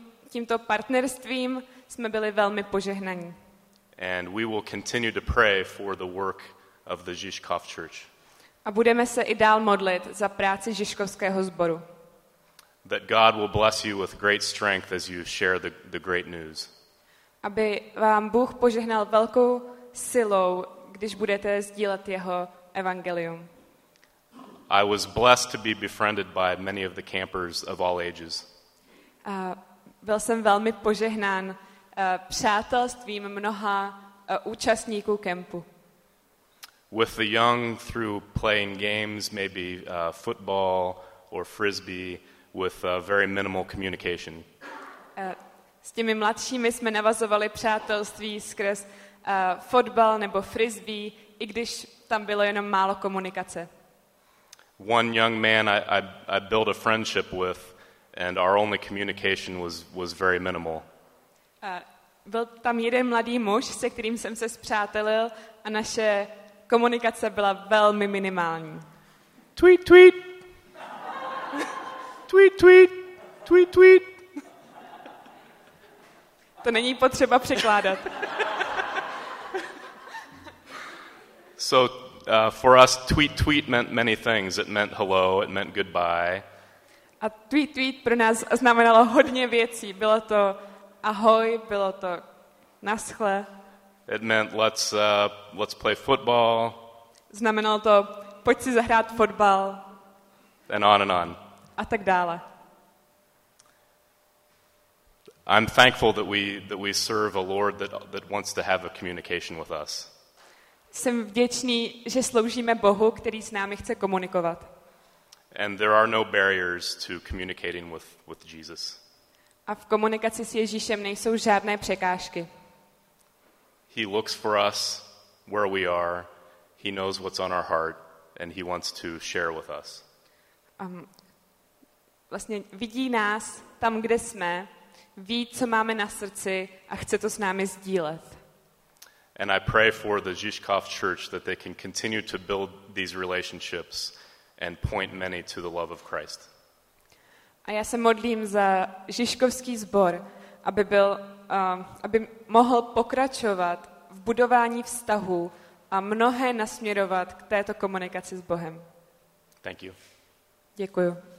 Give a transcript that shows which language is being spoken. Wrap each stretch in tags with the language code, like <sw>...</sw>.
<cs>Tímto partnerstvím jsme byli velmi požehnaní.</cs> <en>And we will continue to pray for the work of the Žižkov Church.</en> <cs>A budeme se i dál modlit za práci Žižkovského sboru.</cs> <en>That God will bless you with great strength as you share the great news.</en> <cs>Aby vám Bůh požehnal velkou silou, když budete sdílet jeho evangelium.</cs> <en>I was blessed to be befriended by many of the campers of all ages.</en> <cs>Byl jsem velmi požehnán přátelstvím mnoha účastníků kempu.</cs> <en>With the young through playing games, maybe football or frisbee, with very minimal communication.</en> <cs>S těmi mladšími jsme navazovali přátelství skrz fotbal nebo frisbee, i když tam bylo jenom málo komunikace.</cs> <en>One young man I built a friendship with, and our only communication was very minimal.</en> <cs>Byl tam jeden mladý muž, se kterým jsem se spřátelil, a naše komunikace byla velmi minimální.</cs> <en>Tweet, tweet. Tweet, tweet. Tweet, tweet.</en> <cs>To není potřeba překládat.</cs> <en>So for us, tweet, tweet meant many things. It meant hello, it meant goodbye.</en> <cs>A tweet, tweet pro nás znamenalo hodně věcí. Bylo to ahoj, bylo to naschle.</cs> <en>It meant let's play football.</en> <cs>Znamenalo to pojď si zahrát fotbal.</cs> <en>And on and on.</en> <cs>A tak dále.</cs> <en>I'm thankful that we serve a Lord that wants to have a communication with us.</en> <cs>Jsem vděčný, že sloužíme Bohu, který s námi chce komunikovat.</cs> <en>And there are no barriers to communicating with Jesus.</en> <cs>A v komunikaci s Ježíšem nejsou žádné překážky.</cs> <en>He looks for us where we are. He knows what's on our heart and he wants to share with us.</en> <cs>Vlastně vidí nás tam, kde jsme, ví, co máme na srdci a chce to s námi sdílet.</cs> <en>And I pray for the Žižkov church that they can continue to build these relationships and point many to the love of Christ.</en> <cs>A já se modlím za Žižkovský sbor, aby byl aby mohl pokračovat v budování vztahu a mnohé nasměrovat k této komunikaci s Bohem.</cs> <en>Thank you.</en> <cs>Děkuju.</cs>